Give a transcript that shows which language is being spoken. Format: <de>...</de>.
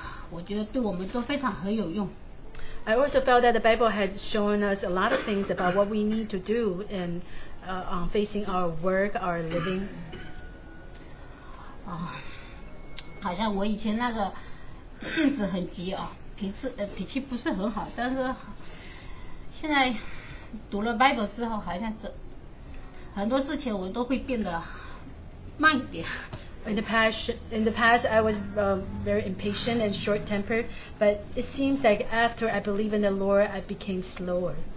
<zh>我觉得对我们都非常很有用。</zh> <en>I also felt that the Bible had shown us a lot of things about what we need to do in facing our work, our living.</en> <zh>好像我以前那个性子很急啊，脾气不是很好，但是现在读了 Bible 之后，好像很多事情我都会变得慢一点。</zh> <en>In the past, I was very impatient and short-tempered, but it seems like after I believe in the Lord, I became slower.</en>